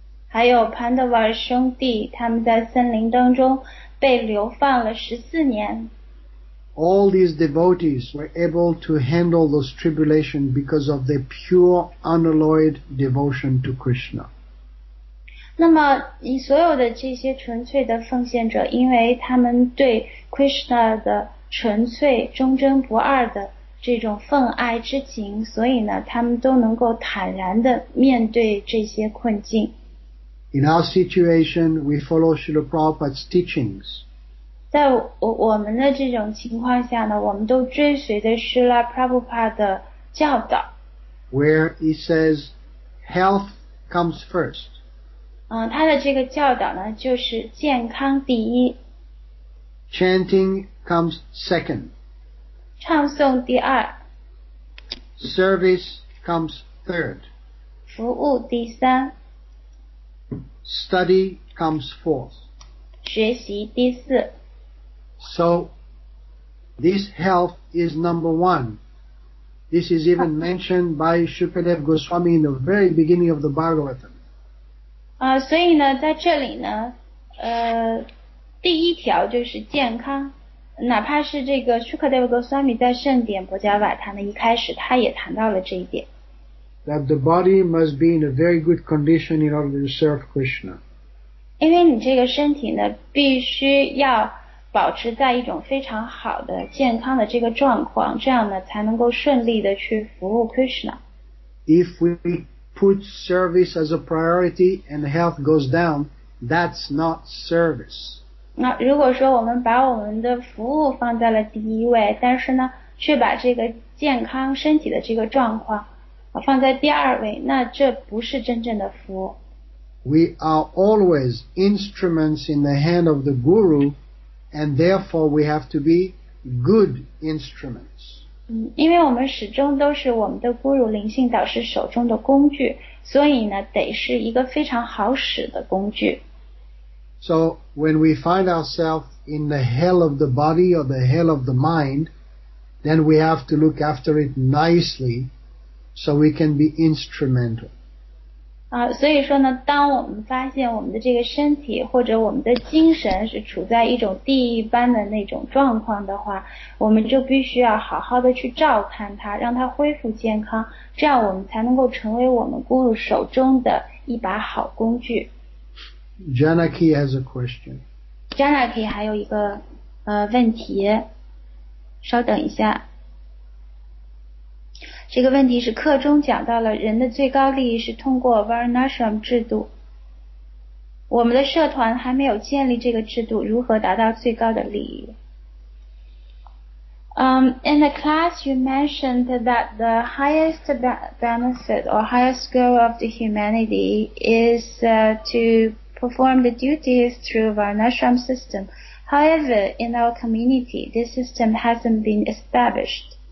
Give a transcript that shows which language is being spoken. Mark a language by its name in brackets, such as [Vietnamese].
[Chinese] 还有 Pandava 兄弟，他们在森林当中被流放了14年。 [English] All these devotees were able to handle those tribulations because of their pure, unalloyed devotion to Krishna. [Chinese] 那么，你所有的这些纯粹的奉献者，因为他们对 Krishna 的纯粹、忠贞不二的这种分爱之情，所以呢，他们都能够坦然地面对这些困境。 [English] In our situation, we follow Srila Prabhupada's teachings. [Chinese] 在我们的这种情况下呢，我们都追随着 Srila Prabhupada 的教导。 [English] Where he says, health comes first. [Chinese] 他的这个教导呢，就是健康第一。 [English] Chanting comes second. [Chinese] 唱诵第二。 [English] Service comes third. [Chinese] 服务第三。 [English] Study comes fourth. [Chinese] 学习第四。 [English] So, this health is number one. This is even mentioned by Shukadev Goswami in the very beginning of the Bhagavatam. [Chinese] 所以呢，在这里呢，第一条就是健康。哪怕是这个 Shukadeva Goswami 在圣典博迦瓦塔呢，一开始他也谈到了这一点。 [English] That the body must be in a very good condition in order to serve Krishna. [Chinese] 因为你这个身体呢，必须要保持在一种非常好的健康的这个状况，这样呢才能够顺利的去服务 Krishna. [English] If we put service as a priority and health goes down, that's not service. [Chinese] 那如果说我们把我们的服务放在了第一位，但是呢，却把这个健康身体的这个状况放在第二位，那这不是真正的服务。 [English] We are always instruments in the hand of the guru, and therefore we have to be good instruments. [Chinese] 因为我们始终都是我们的 guru 灵性导师手中的工具，所以呢，得是一个非常好使的工具。 [English] So, when we find ourselves in the hell of the body or the hell of the mind, then we have to look after it nicely so we can be instrumental. [Chinese] 所以说呢，当我们发现我们的这个身体或者我们的精神是处在一种地狱般的那种状况的话，我们就必须要好好的去照看它，让它恢复健康，这样我们才能够成为我们guru手中的一把好工具。 [English] Janaki has a question. [Chinese] Janaki 还有一个问题，稍等一下。这个问题是课中讲到了人的最高利益是通过 Varnashram 制度。我们的社团还没有建立这个制度，如何达到最高的利益？ [English] In the class, you mentioned that the highest benefit or highest goal of the humanity is to perform the duties through Varnashram system. However, in our community, this system hasn't been established.